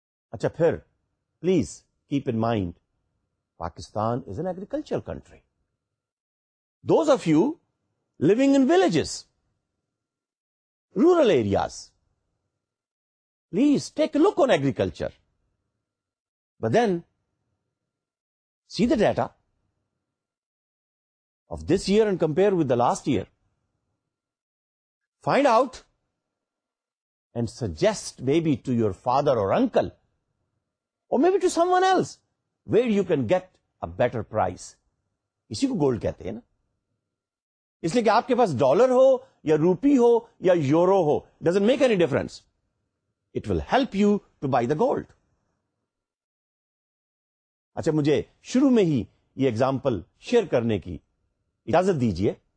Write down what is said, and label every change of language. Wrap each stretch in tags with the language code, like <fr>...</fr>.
<en>اچھا پھر please keep in mind Pakistan is an agricultural country. Those of you living in villages, rural areas, please take a look on agriculture. But then, see the data of this year and compare with the last year. Find out and suggest maybe to your father or uncle, or maybe to someone else, where you can get a better price.</en> <ur>Isi ko gold kehte hai na. اس لیے کہ آپ کے پاس dollar ہو یا روپی ہو یا euro ہو</ur> <en>Doesn't make any difference. It will help you to buy the gold.</en> <ur>اچھا مجھے شروع میں ہی یہ ایگزامپل شیئر کرنے کی اجازت دیجیے.</ur>